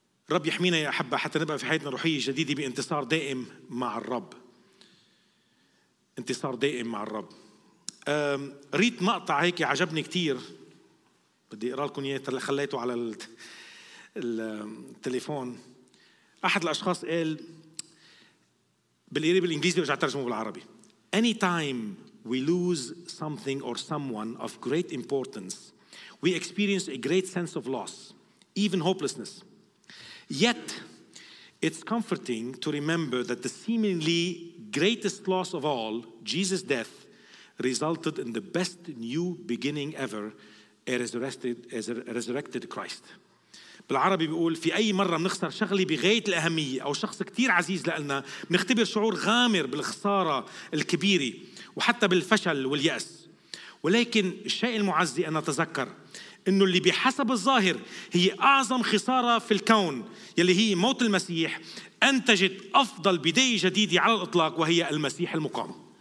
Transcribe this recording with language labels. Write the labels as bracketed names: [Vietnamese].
[Arabic] رب يحمينا يا أحبة حتى نبقى في حياتنا الروحية جديدة بانتصار دائم مع الرب، انتصار دائم مع الرب. ريت مقطع هيك عجبني كتير، بدي أقرأ لكم إياه، خليته على التليفون. أحد الأشخاص قال بالقريب الإنجليزي ورجع ترجمه بالعربي: [English] Anytime we lose something or someone of great importance, we experience a great sense of loss, even hopelessness. Yet, it's comforting to remember that the seemingly greatest loss of all, Jesus' death, resulted in the best new beginning ever, a resurrected Christ. [Arabic] بالعربي بيقول في أي مرة بنخسر شغلة بغاية الأهمية أو شخص كتير عزيز لنا، بنختبر شعور غامر بالخسارة الكبيرة وحتى بالفشل واليأس. ولكن الشيء المعزي أن نتذكر إنه اللي بحسب الظاهر هي أعظم خسارة في الكون، يلي هي موت المسيح، أنتجت أفضل بداية جديدة على الإطلاق، وهي المسيح المقام.